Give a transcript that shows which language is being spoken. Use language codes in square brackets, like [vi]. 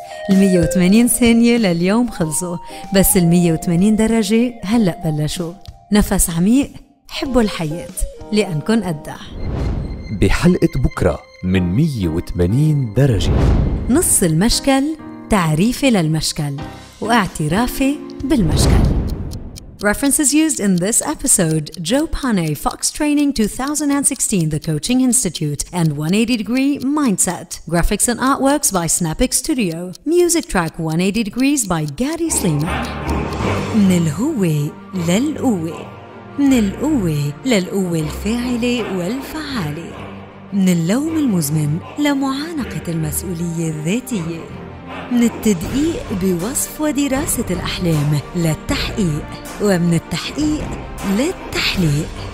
[ar] 180 ثانية لليوم خلصوا، بس 180 درجة هلأ بلشوا. نفس عميق، حبوا الحياة لأنكن أدع. بحلقة بكرة من 180 درجة. نص المشكل تعريفي للمشكل واعترافي بالمشكل. [en] References used in this episode: Joe Pane, Fox Training 2016, The Coaching Institute, and 180 Degree Mindset. Graphics and artworks by Snapic Studio. Music track 180 Degrees by Gary Sleiman. [ar] من الهوة للقوة، من القوة للقوة الفاعلة والفعالة، من اللوم المزمن لمعانقة المسؤولية الذاتية، من التدقيق بوصف ودراسة الأحلام للتحقيق، ومن التحقيق للتحليق.